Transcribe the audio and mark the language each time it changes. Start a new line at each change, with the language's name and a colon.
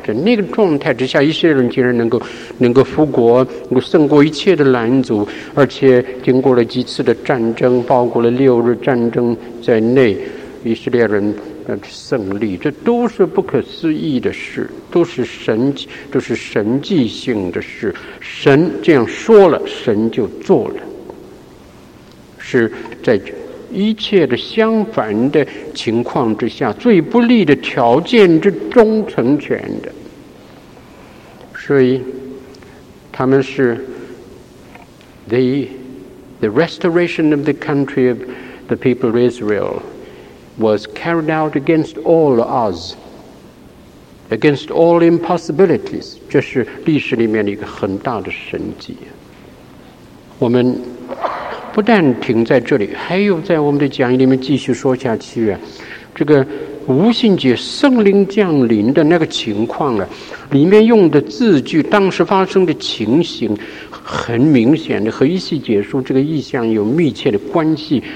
Chinese: 在那个状态之下，一些人竟然能够复国，能够胜过一切的拦阻，而且经过了几次的战争，包括了6日战争在内，以色列人胜利，这都是不可思议的事，都是神迹性的事。神这样说了，神就做了，是在一切的相反的情况之下，最不利的条件之中成全的。所以他们是
English: the restoration of the country of the people of Israel was carried out against all odds, against all impossibilities.
Chinese: 这是历史里面的一个很大的神迹。我们不但停在这里，还有在我们的讲义里面继续说下去啊。这个无信节圣灵降临的那个情况啊，里面用的字句，当时发生的情形，很明显的和一系结束这个意象有密切的关系。